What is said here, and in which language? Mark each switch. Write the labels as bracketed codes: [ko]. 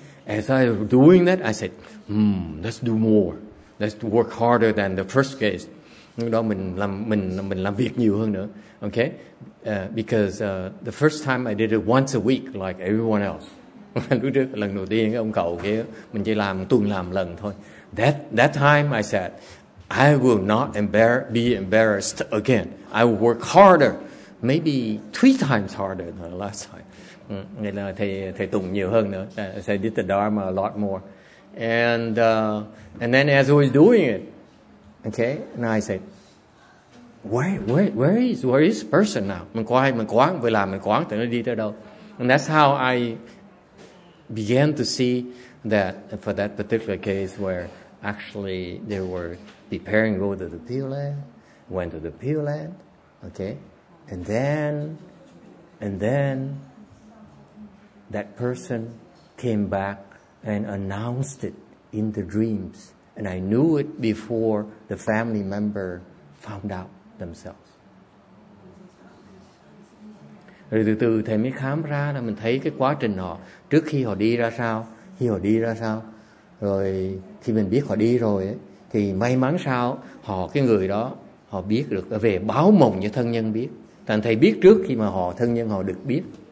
[en] As I was doing that, I said, let's do more. Let's work harder than the first case. [vi] Lúc đó mình làm việc nhiều hơn nữa. [en] Okay? Because the first time I did it once a week like everyone else. [vi] Lúc trước lần đầu tiên cái ông cậu kia mình chỉ làm tuần làm lần thôi. [en] That time I said I will not be embarrassed again. I will work harder, maybe 3 times harder than the last time. [vi] Nên là thầy tụng nhiều hơn nữa. [en] I said did the Dharma a lot more. And then as I was doing it, okay, and I said, where is person now? [vi] Mình quán thì nó đi tới đâu? [en] And that's how I began to see that for that particular case where actually they were preparing to go to the Pure Land, went to the Pure Land, okay, and then that person came back and announced it in the dreams, and I knew it before the family member found out themselves. [vi] Rồi từ từ thầy mới khám ra là mình thấy cái quá trình họ trước khi họ đi ra sao, khi họ đi ra sao. Rồi khi mình biết họ đi rồi ấy, thì may mắn sao họ, cái người đó, họ biết được về báo mộng như thân nhân biết. Thành thầy biết trước khi mà họ, thân nhân họ được biết.